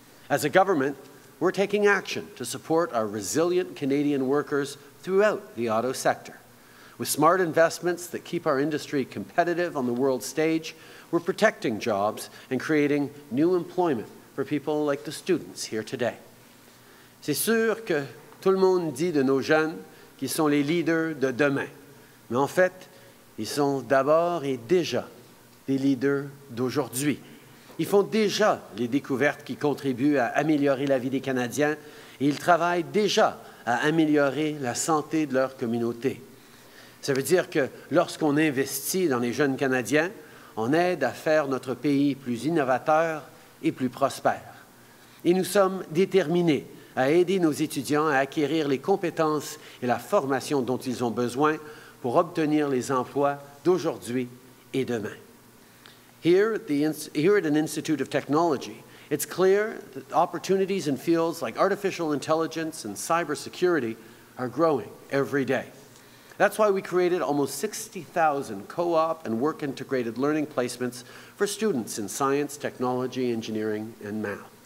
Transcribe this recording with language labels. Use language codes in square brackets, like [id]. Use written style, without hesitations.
[en] As a government, we're taking action to support our resilient Canadian workers throughout the auto sector. With smart investments that keep our industry competitive on the world stage, we're protecting jobs and creating new employment for people like the students here today. [fr] C'est sûr que tout le monde dit de nos jeunes qu'ils sont les leaders de demain. Mais en fait, ils sont d'abord et déjà des leaders d'aujourd'hui. Ils font déjà les découvertes qui contribuent à améliorer la vie des Canadiens et ils travaillent déjà à améliorer la santé de leur communauté. Ça veut dire que lorsqu'on investit dans les jeunes Canadiens, on aide à faire notre pays plus innovateur et plus prospère. Et nous sommes déterminés à aider nos étudiants à acquérir les compétences et la formation dont ils ont besoin pour obtenir les emplois d'aujourd'hui et demain. [en] Here at an Institute of Technology, it's clear that opportunities in fields like artificial intelligence and cybersecurity are growing every day. That's why we created almost 60,000 co-op and work-integrated learning placements for students in science, technology, engineering, and math.